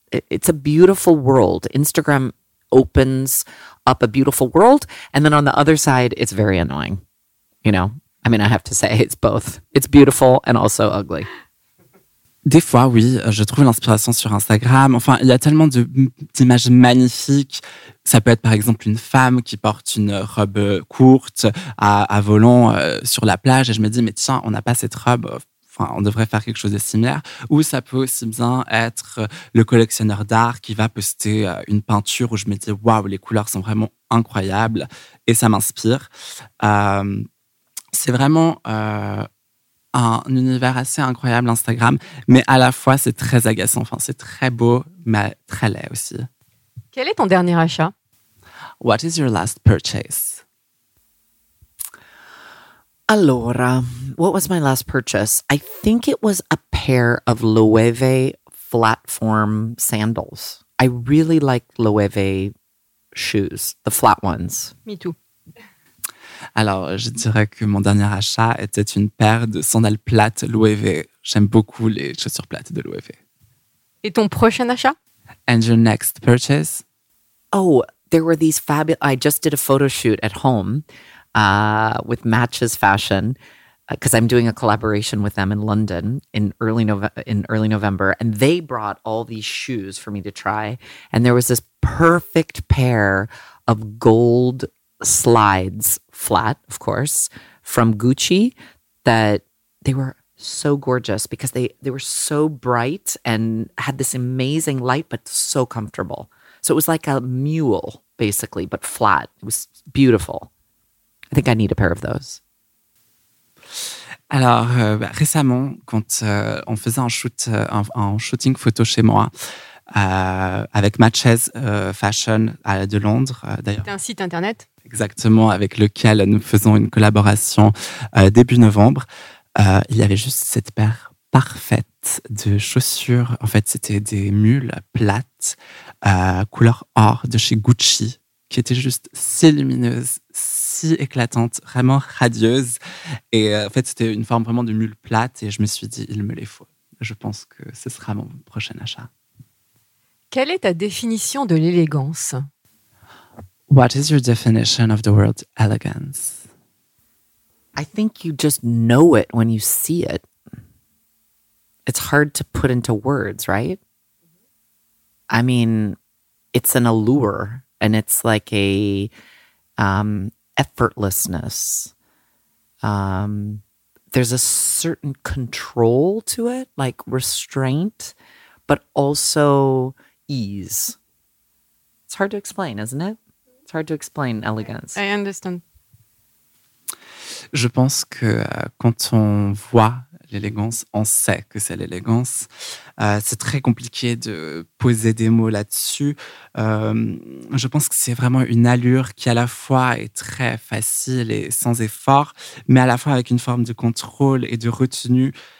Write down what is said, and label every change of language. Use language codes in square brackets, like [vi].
[en] It's a beautiful world. Instagram opens up a beautiful world. And then on the other side, it's very annoying. You know, I mean, I have to say it's both. It's beautiful and also ugly. [fr] Des fois, oui, je trouve l'inspiration sur Instagram. Enfin, il y a tellement d'images magnifiques. Ça peut être, par exemple, une femme qui porte une robe courte à volant sur la plage. Et je me dis, mais tiens, on n'a pas cette robe. Enfin, on devrait faire quelque chose de similaire. Ou ça peut aussi bien être le collectionneur d'art qui va poster une peinture où je me dis, waouh, les couleurs sont vraiment incroyables. Et ça m'inspire. C'est vraiment un univers assez incroyable, Instagram, mais à la fois, c'est très agaçant. Enfin, c'est très beau, mais très laid aussi. Quel est ton dernier achat? [en] What is your last purchase? Allora, what was my last purchase? I think it was a pair of Loewe flat form sandals. I really like Loewe shoes, the flat ones. Me too. [fr] Alors, je dirais que mon dernier achat était une paire de sandales plates Loewe. J'aime beaucoup les chaussures plates de Loewe. Et ton prochain achat? [en] And your next purchase? Oh, there were these fabulous... I just did a photo shoot at home with Matches Fashion because I'm doing a collaboration with them in London in early November. And they brought all these shoes for me to try. And there was this perfect pair of gold slides, flat, of course, from Gucci, that they were so gorgeous because they were so bright and had this amazing light, but so comfortable. So it was like a mule, basically, but flat. It was beautiful. I think I need a pair of those. [fr] Alors, récemment, quand on faisait un shooting photo chez moi, avec Matches Fashion de Londres, d'ailleurs. C'est un site internet. Exactement, avec lequel nous faisons une collaboration début novembre. Il y avait juste cette paire parfaite de chaussures. En fait, c'était des mules plates, couleur or de chez Gucci, qui étaient juste si lumineuses, si éclatantes, vraiment radieuses. Et en fait, c'était une forme vraiment de mule plate. Et je me suis dit, il me les faut. Je pense que ce sera mon prochain achat. Quelle est ta définition de l'élégance? [en] What is your definition of the word elegance? I think you just know it when you see it. It's hard to put into words, right? I mean, it's an allure and it's like a effortlessness. There's a certain control to it, like restraint, but also ease. It's hard to explain, isn't it? It's hard to explain elegance. I understand. [fr] Je pense que quand on voit l'élégance, on sait que c'est l'élégance. C'est très compliqué de poser des mots là-dessus. Je pense que c'est vraiment une allure qui à la fois est très facile et sans effort, mais à la fois avec une forme de contrôle et de retenue.